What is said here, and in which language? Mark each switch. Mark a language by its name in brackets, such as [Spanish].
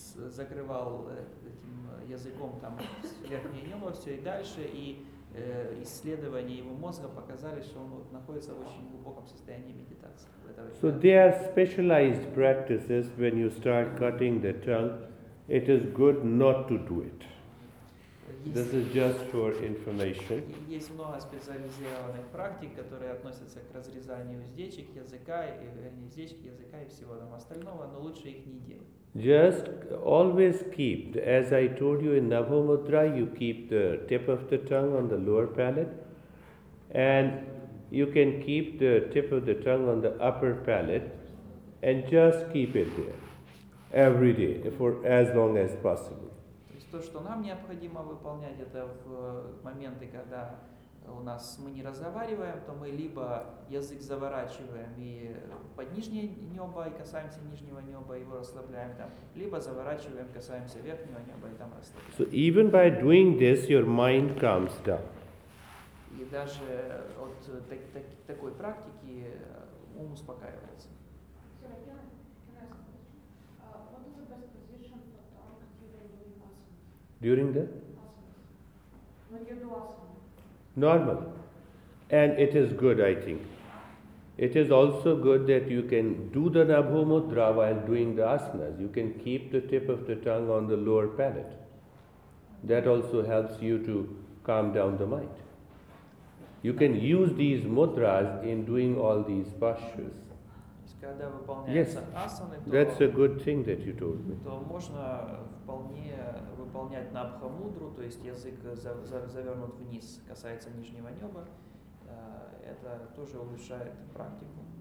[Russian] закрывал этим языком там верхнее небо все и дальше, и исследования его мозга показали, что он находится в очень глубоком состоянии медитации. [English] So there are specialized practices when you start cutting the tongue. It is good not to do it. This is just for information. [Russian] Есть много специализированных практик, которые относятся к разрезанию уздечек языка, вернее, уздечек языка и всего там остального, но лучше их не делать. [English] Just always keep, as I told you in Navo Mudra, you keep the tip of the tongue on the lower palate, and you can keep the tip of the tongue on the upper palate, and just keep it there every day for as long as possible. [Russian] То есть то, что нам необходимо выполнять, это в моменты, когда у нас мы не разговариваем, то мы либо язык заворачиваем и под нижнее небо и касаемся нижнего неба и его расслабляем там, либо заворачиваем, касаемся верхнего неба и там расслабляем. [English] So even by doing this, your mind calms down. [Russian] И даже от такой практики ум успокаивается. [English] During the? When you do asana. Normal. And it is good, I think. It is also good that you can do the Nabho Mudra while doing the asanas. You can keep the tip of the tongue on the lower palate. That also helps you to calm down the mind. You can use these mudras in doing all these postures. Yes, [Russian] асаны, то, [English] that's a good thing that you told me. [Russian] То можно вполне выполнять набхамудру, то есть язык завернут вниз, касается нижнего неба. Это тоже улучшает практику.